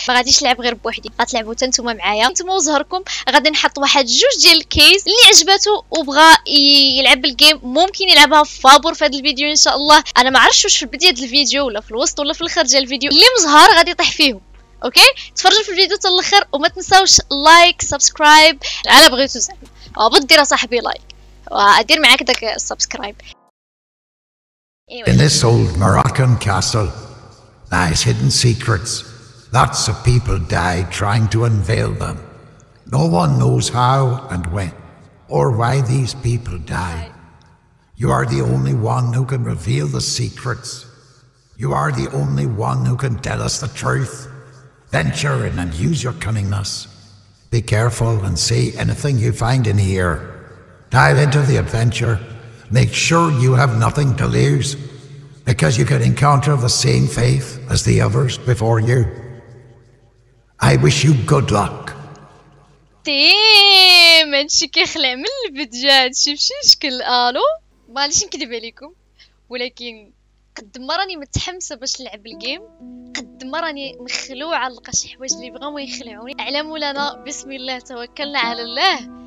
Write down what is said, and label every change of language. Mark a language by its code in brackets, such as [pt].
[ar] ما غاديش نلعب غير بوحدي، غتلعبوا حتى نتوما معايا. نتوما وزهركم غادي نحط واحد جوج ديال الكيس، اللي عجبته وبغى يلعب الجيم ممكن يلعبها فابور في هذا الفيديو ان شاء الله. انا ما عرفتش واش في البدايه ديال الفيديو ولا في الوسط ولا في الخارج ديال الفيديو اللي مزهر غادي يطيح فيهم. اوكي، تفرجوا في الفيديو حتى الاخر وما تنساوش لايك سبسكرايب على بغيتو زعما. وبدي راه صاحبي لايك وادير معاك داك سبسكرايب. [en] In this old Moroccan castle lies hidden secrets. Lots of people died trying to unveil them. No one knows how and when or why these people died. You are the only one who can reveal the secrets. You are the only one who can tell us the truth. Venture in and use your cunningness. Be careful and see anything you find in here. Dive into the adventure. Make sure you have nothing to lose, because you could encounter the same fate as the others before you. I wish you good luck. Damn, and she can't climb the bed. She's alo. Malish, I'm kidding, Belikum. [ar] ولكن قد مرني متحمسة باش نلعب الجيم، قد مراني مخلوعة لقاش حوايج اللي بغاو يخلعوني. اعلم لنا، بسم الله توكلنا على الله.